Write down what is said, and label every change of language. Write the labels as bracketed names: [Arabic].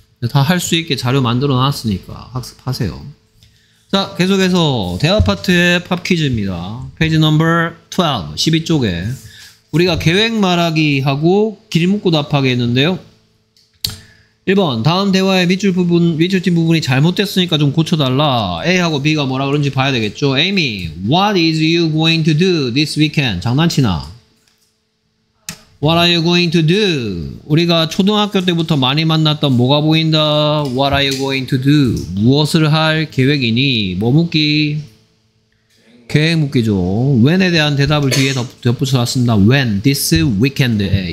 [Korean] 다 할 수 있게 자료 만들어 놨으니까 학습하세요. 자, 계속해서 대화 파트의 팝 퀴즈입니다. 페이지 넘버 12, 12쪽에 우리가 계획 말하기 하고 길 묻고 답하게 했는데요. 1번 다음 대화의 밑줄 부분 밑줄 띈 부분이 잘못됐으니까 좀 고쳐달라. A하고 B가 뭐라 그런지 봐야 되겠죠. [English] Amy, what is you going to do this weekend? [Korean] 장난치나. [English] What are you going to do? [Korean] 우리가 초등학교 때부터 많이 만났던 뭐가 보인다? [English] What are you going to do? [Korean] 무엇을 할 계획이니? 뭐 묻기? 계획 묻기죠. When에 대한 대답을 뒤에 덧붙여놨습니다. When, this weekend에.